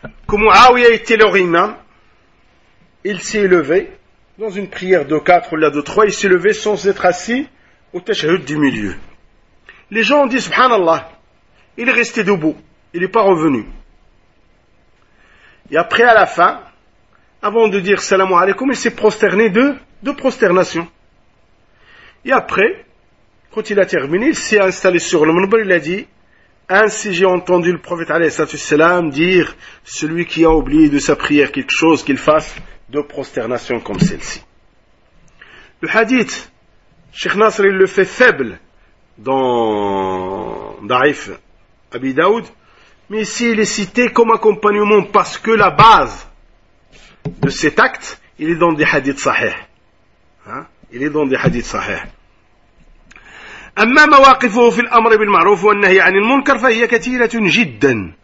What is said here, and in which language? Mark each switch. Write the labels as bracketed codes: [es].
[ar] كمعاوية يتلغ إمام [fr] il s'est levé dans une prière de 4 ou de 3 il s'est levé sans être assis au tashahud du milieu les gens ont dit subhanallah il est resté debout il n'est pas revenu et après à la fin avant de dire salam alaykoum il s'est prosterné de prosternation Et après, quand il a terminé, il s'est installé sur le minbar, il a dit, ainsi j'ai entendu le prophète alayhissalam dire, celui qui a oublié de sa prière quelque chose, qu'il fasse deux prosternations comme celle-ci. Le hadith, Cheikh Nasr, il le fait faible dans Da'if Abi Daoud, mais ici il est cité comme accompagnement parce que la base de cet acte, il est dans des hadiths sahih. Hein? Il est dans des hadiths sahih. [ar] أما مواقفه في الأمر بالمعروف والنهي عن المنكر فهي كثيرة جدا.